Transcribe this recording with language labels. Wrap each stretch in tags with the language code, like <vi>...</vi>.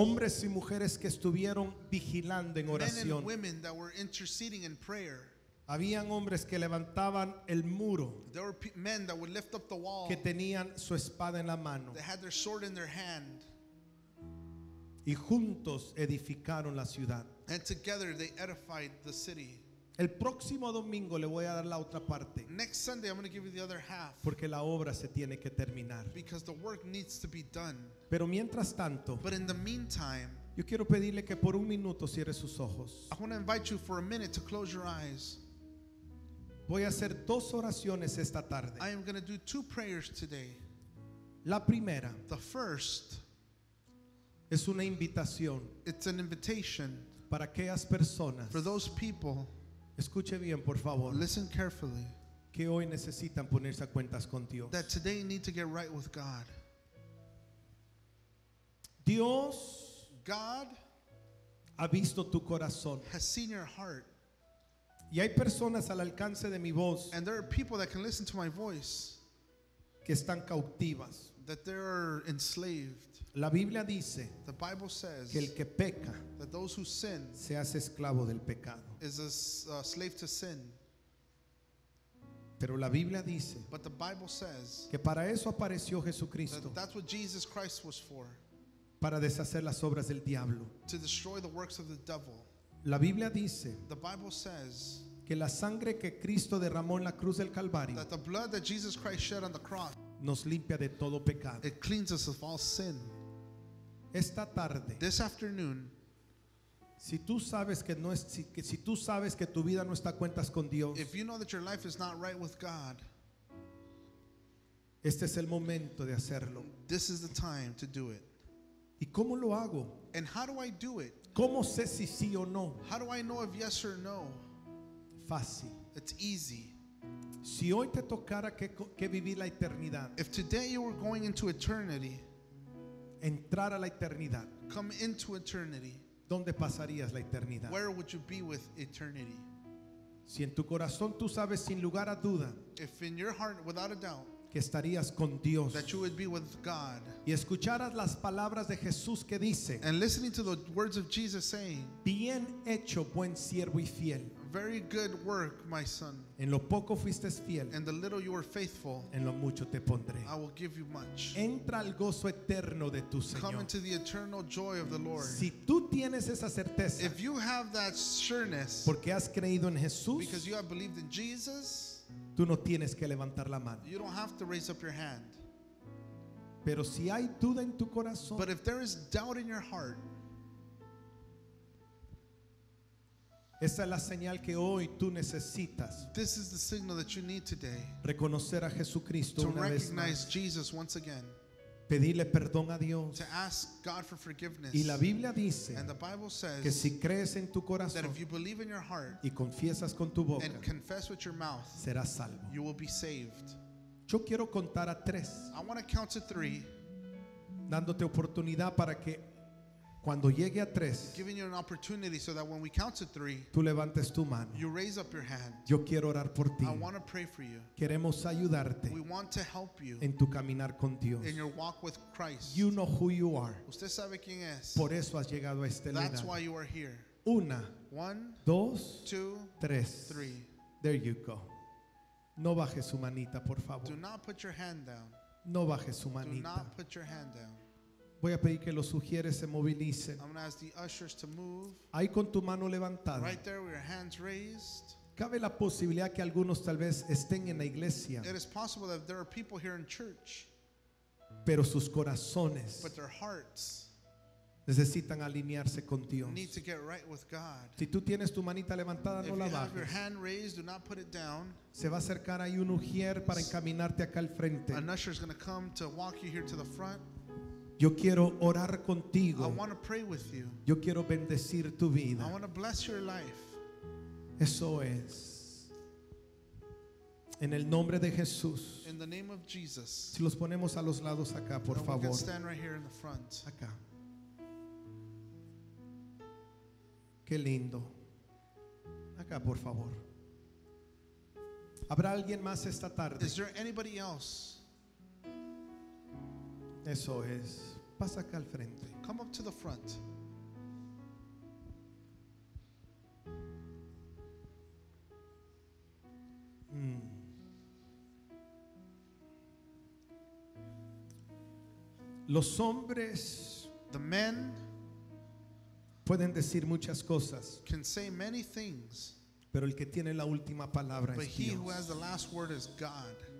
<es>Hombres y mujeres que estuvieron vigilando en oración.</es> <en>Men and women that were interceding in prayer.</en> <es>Habían hombres que levantaban el muro.</es> <en>There were men that would lift up the wall.</en> <es>Que tenían su espada en la mano.</es> <en>They had their sword in their hand.</en> <es>Y juntos edificaron la ciudad.</es> <en>And together they edified the city.</en> <es>El próximo domingo le voy a dar la otra parte.</es> <en>Next Sunday I'm going to give you the other half.</en> <es>Porque la obra se tiene que terminar.</es> <en>Because the work needs to be done.</en> <es>Pero mientras tanto,</es> <en>but in the meantime,</en> <es>yo quiero pedirle que por un minuto cierre sus ojos.</es> <en>I want to invite you for a minute to close your eyes.</en> <es>Voy a hacer dos oraciones esta tarde.</es> <en>I am going to do two prayers today.</en> <es>La primera,</es> <en>the first,</en> <es>es una invitación.</es> <en>It's an invitation</en> <es>para aquellas personas.</es> <en>For those people.</en> <es>Escuche bien, por favor.</es> <en>Listen carefully.</en> <es>Que hoy necesitan ponerse a cuentas con Dios.</es> <en>That today need to get right with God.</en> <es>Dios,</es> <en>God,</en> <es>ha visto tu corazón.</es> <en>Has seen your heart.</en> <es>Y hay personas al alcance de mi voz.</es> <en>And there are people that can listen to my voice.</en> <es>Que están cautivas.</es> <en>That they are enslaved.</en> <es>La Biblia dice,</es> <en>the Bible says,</en> <es>que el que peca,</es> <en>that those who sin,</en> <es>se hace esclavo del pecado.</es> <en>Is a slave to sin.</en> <es>Pero la Biblia dice,</es> <en>but the Bible says,</en> <es>que para eso apareció Jesucristo.</es> <en>That that's what Jesus Christ was for.</en> <es>Para deshacer las obras del diablo.</es> <en>To destroy the works of the devil.</en> <es>La Biblia dice,</es> <en>the Bible says,</en> <es>que la sangre que Cristo derramó en la cruz del Calvario,</es> <en>that the blood that Jesus Christ shed on the cross,</en> <es>nos limpia de todo pecado.</es> <en>It cleans us of all sin.</en> <es>Esta tarde,</es> <en>this afternoon,</en> <es>si tú sabes que no es, si tú sabes que tu vida no está a cuentas con Dios,</es> <en>if you know that your life is not right with God,</en> <es>este es el momento de hacerlo.</es> <en>This is the time to do it.</en> <es>¿Y cómo lo hago?</es> <en>And how do I do it?</en> <es>¿Cómo sé si sí o no?</es> <en>How do I know if yes or no?</en> <es>Fácil.</es> <en>It's easy.</en> <es>Si hoy te tocara que vivir la eternidad,</es> <en>if today you were going into eternity,</en> <es>entrar a la eternidad.</es> <en>Come into eternity.</en> <es>¿Dónde pasarías la eternidad?</es> <en>Where would you be with eternity?</en> <es>Si en tu corazón tú sabes sin lugar a duda,</es> <en>if in your heart without a doubt,</en> <es>que estarías con Dios,</es> <en>that you would be with God,</en> <es>y escucharas las palabras de Jesús que dice,</es> <en>and listening to the words of Jesus saying,</en> <es>bien hecho, buen siervo y fiel.</es> <en>Very good work, my son.</en> <es>En lo poco fuiste fiel.</es> <en>In the little you were faithful.</en> <es>En lo mucho te pondré.</es> <en>I will give you much.</en> <es>Entra al gozo eterno de tu Señor.</es> <en>Come into the eternal joy of the Lord.</en> <es>Si tú tienes esa certeza.</es> <en>If you have that sureness.</en> <es>Porque has creído en Jesús.</es> <en>Because you have believed in Jesus.</en> <es>Tú no tienes que levantar la mano.</es> <en>You don't have to raise up your hand.</en> <es>Pero si hay duda en tu corazón.</es> <en>But if there is doubt in your heart.</en> <es>Esa es la señal que hoy tú necesitas.</es> <en>This is the signal that you need today.</en> <es>Reconocer a Jesucristo una vez más.</es> <en>Jesus once again.</en> <es>Pedirle perdón a Dios.</es> <en>To ask God for forgiveness.</en> <es>Y la Biblia dice,</es> <en>and the Bible says,</en> <es>que si crees en tu corazón,</es> <en>that if you believe in your heart,</en> <es>y confiesas con tu boca,</es> <en>and confess with your mouth,</en> <es>serás salvo.</es> <en>You will be saved.</en> <es>Yo quiero contar a tres.</es> <en>I want to count to three.</en> <es>Dándote oportunidad para que cuando llegue a tres,</es> <en>giving you an opportunity so that when we count to three,</en> <es>tú levantes tu mano.</es> <en>You raise up your hand.</en> <es>Yo quiero orar por ti.</es> <en>I want to pray for you.</en> <es>Queremos ayudarte.</es> <en>We want to help you.</en> <es>En tu caminar con Dios.</es> <en>In your walk with Christ. You know who you are.</en> <es>Usted sabe quién es. Por eso has llegado a este lugar.</es> <en>That's why you are here.</en> <es>Una.</es> <en>One.</en> <es>Dos.</es> <en>Two.</en> <es>Tres.</es> <en>Three. There you go.</en> <es>No bajes su manita, por favor.</es> <en>Do not put your hand down.</en> <es>No bajes su manita.</es> <en>Do not put your hand down.</en> <es>Voy a pedir que los sugieres se movilicen.</es> <en>I'm going to ask the ushers to move.</en> <es>Ahí con tu mano levantada.</es> <en>Right there with your hands raised.</en> <es>Cabe la posibilidad que algunos tal vez estén en la iglesia.</es> <en>It is possible that there are people here in church.</en> <es>Pero sus corazones.</es> <en>But their hearts.</en> <es>Necesitan alinearse con Dios.</es> <en>Need to get right with God.</en> <es>Si tú tienes tu manita levantada,</es> <en>if</en> <es>no la bajes.</es> <en>If you have your hand raised, do not put it down.</en> <es>Se va a acercar ahí un ujier para encaminarte acá al frente.</es> <en>An usher is going to come to walk you here to the front.</en> <es>Yo quiero orar contigo.</es> <en>I want to pray with you.</en> <es>Yo quiero bendecir tu vida.</es> <en>I want to bless your life.</en> <es>Eso es. En el nombre de Jesús.</es> <en>In the name of Jesus.</en> <es>Si los ponemos a los lados acá, por favor.</es> <en>We can stand right here in the front.</en> <es>Acá. Qué lindo. Acá, por favor. ¿Habrá alguien más esta tarde?</es> <en>Is there anybody else?</en> <es>Eso es. Pasa acá al frente.</es> <en>Come up to the front.</en> <es>Los hombres,</es> <en>the men,</en> <es>pueden decir muchas cosas.</es> <en>Can say many things.</en> <es>Pero el que tiene la última palabra es Dios.</es> <en>But he who has the last word is God.</en>